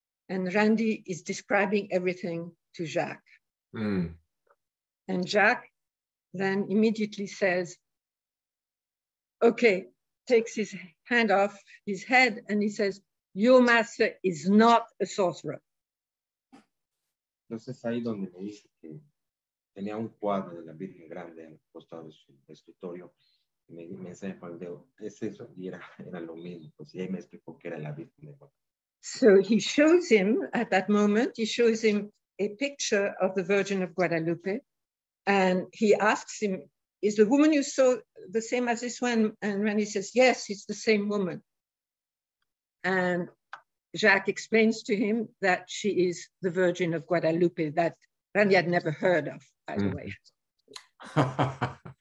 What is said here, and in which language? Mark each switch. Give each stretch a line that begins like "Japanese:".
English: And Randy is describing everything to Jacques. Mm. And Jacques then immediately says, okay, takes his hand off his head and he says, your master is not a sorcerer.
Spanish: Entonces ahí donde me dice que tenía un cuadro de la Virgen Grande al costado de su escritorio, me enseña con el dedo, es eso, y era lo mismo. Pues, y ahí me explicó que era la Virgen de Guadalupe.
English: So he shows him at that moment, he shows him a picture of the Virgin of Guadalupe. And he asks him, is the woman you saw the same as this one? And Randy says, yes, it's the same woman. And Jacques explains to him that she is the Virgin of Guadalupe that Randy had never heard of, by the way.